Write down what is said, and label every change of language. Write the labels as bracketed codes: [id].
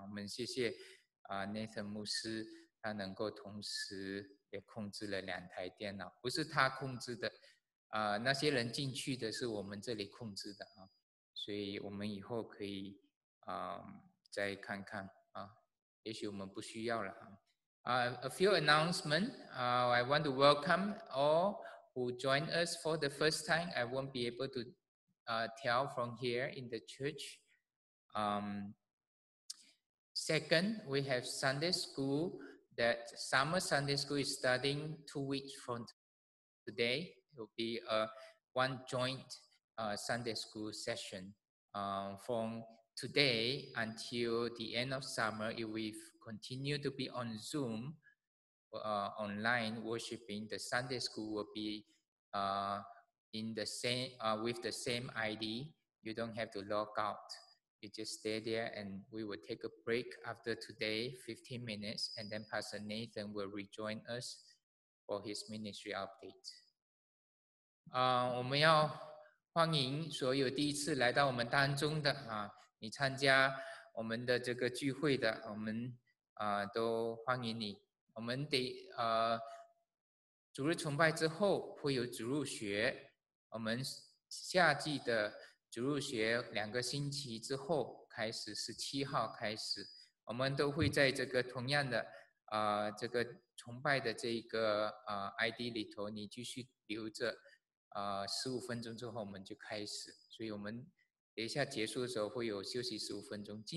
[zh] 我们谢谢Nathan 牧师，他能够同时也控制了两台电脑，不是他控制的那些人进去的是我们这里控制的啊，所以我们以后可以再看看啊，也许我们不需要了啊。 [en] A few announcements. I want to welcome all who join us for the first time. I won't be able to tell from here in the church. Second, we have Sunday school. That summer Sunday school is starting 2 weeks from today. It will be one joint Sunday school session. From today until the end of summer, it will continue to be on Zoom, online worshiping. The Sunday school will be in the same with the same ID. You don't have to log out. You just stay there, and we will take a break after today, 15 minutes, and then Pastor Nathan will rejoin us for his ministry update. [zh] 我们要欢迎所有第一次来到我们当中的啊，你参加我们的这个聚会的，我们都欢迎你。我们得主日崇拜之后会有主日学，我们夏季的主日学两个星期之后开始，17号开始，我们都会在这个同样的这个崇拜的这个ID 里头，你继续留着15分钟之后我们就开始，所以我们等一下结束的时候会有休息15分钟。